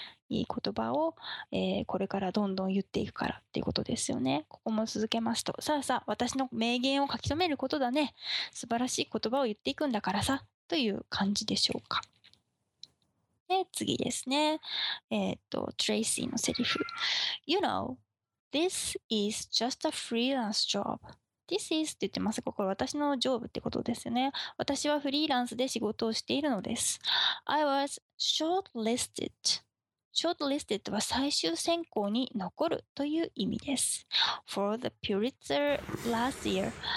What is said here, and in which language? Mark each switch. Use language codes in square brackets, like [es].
[ja] いい言葉を、これからどんどん言っていくからっていうことですよね。ここも続けますと。さあさあ、私の名言を書き留めることだね。素晴らしい言葉を言っていくんだからさ。という感じでしょうか。で、次ですね。Tracy のセリフ。 [en] You know, this is just a freelance job. This is [ja] って言ってます。これ私のジョブってことですよね。私はフリーランスで仕事をしているのです。 [en] I was shortlisted. [ja] Shortlisted は最終選考に残るという意味です。 [en] For the Pulitzer last year.